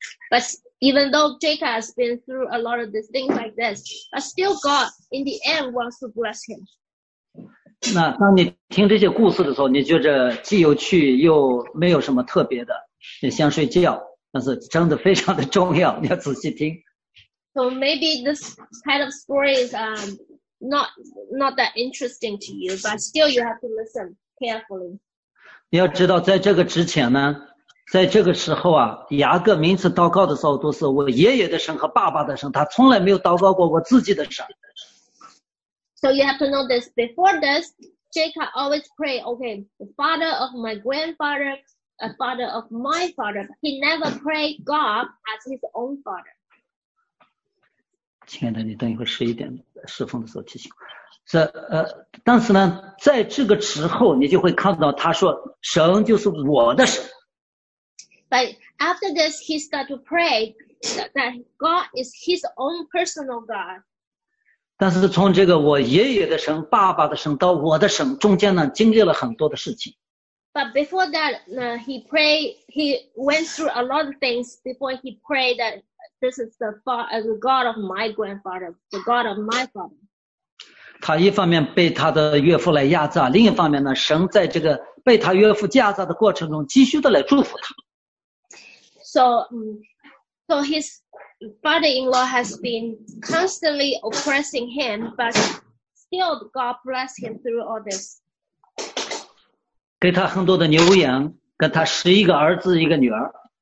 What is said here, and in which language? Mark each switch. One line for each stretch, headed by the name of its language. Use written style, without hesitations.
English: But even though Jacob has been through a lot of these things like this, but still God in the end wants to bless him.
Chinese: 那当你听这些故事的时候，你觉得既有趣又没有什么特别的，也想睡觉，但是真的非常的重要，你要仔细听。
English: So maybe this kind of story is not that interesting to you, but still you have to listen carefully.
Chinese: 你要知道，在这个之前呢。在这个时候啊，雅各每次祷告的时候都是我爷爷的神和爸爸的神，他从来没有祷告过我自己的神。
English: So you have to know this. Before this, Jacob always prayed, okay, the father of my grandfather, the father of my father. He never prayed God as his own father.
Chinese: 亲爱的，你等一会11点侍奉的时候提醒。是但是呢，在这个时候你就会看到他说，神就是我的神。
English: But after this, he started to pray that God is his own personal God.
Chinese: 但是从这个我爷爷的神、爸爸的神到我的神中间呢，经历了很多的事情。
English: But before that, he prayed. He went through a lot of things before he prayed that this is the God of my grandfather, the God of my father.
Chinese: 他一方面被他的岳父来压榨，另一方面呢，神在这个被他岳父压榨的过程中，继续的来祝福他。
English: So his father-in-law has been constantly oppressing him, but still God blessed him through all this.
Chinese: 给他很多的牛羊，跟他11个儿子，一个女儿。